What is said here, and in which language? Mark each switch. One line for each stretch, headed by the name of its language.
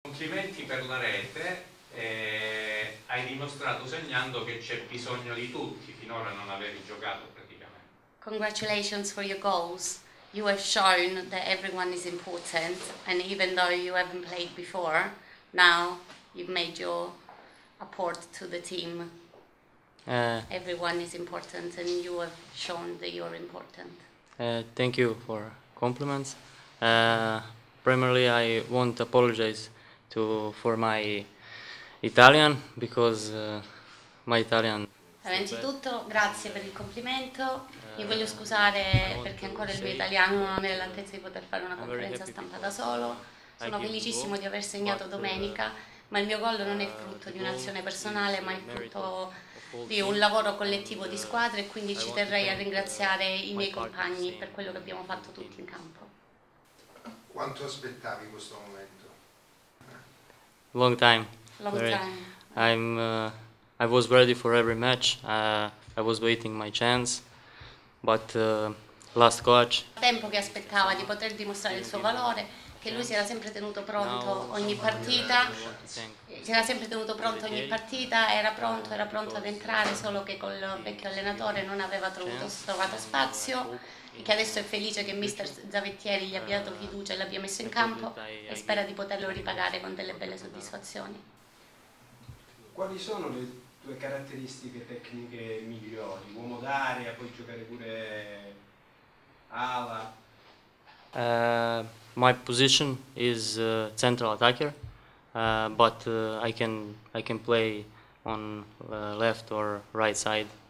Italian: Complimenti per la rete, hai dimostrato segnando che c'è bisogno di tutti, finora non avevi giocato praticamente.
English: Congratulations for your goals. You have shown that everyone is important, and even though you haven't played before, now you've made your apport to the team. Everyone is important, and you have shown that you're important. Thank you for compliments. Primarily, I want to apologize for my Italian, because my Italian.
Italian: Innanzitutto, grazie per il complimento. Mi voglio scusare perché ancora il mio italiano non è all'altezza di poter fare una conferenza stampa da solo. Sono felicissimo di aver segnato domenica, ma il mio gol non è frutto di un'azione personale, ma è frutto di un lavoro collettivo di squadra, e quindi ci terrei a ringraziare i miei compagni per quello che abbiamo fatto tutti in campo. Quanto aspettavi questo momento?
English: Long time. Long time. I was ready for every match. I was waiting my chance, but last coach.
Italian: Tempo che aspettava di poter dimostrare il suo valore, che lui si era sempre tenuto pronto ogni partita. Si era sempre tenuto pronto ogni partita. Era pronto ad entrare, solo che col vecchio allenatore non aveva trovato spazio. E che adesso è felice che mister Zavettieri gli abbia dato fiducia e l'abbia messo in campo, e spera di poterlo ripagare con delle belle soddisfazioni. Quali sono le tue caratteristiche tecniche migliori? Uomo d'area, puoi giocare pure ala?
English: My position is central attacker, but I can play on left or right side.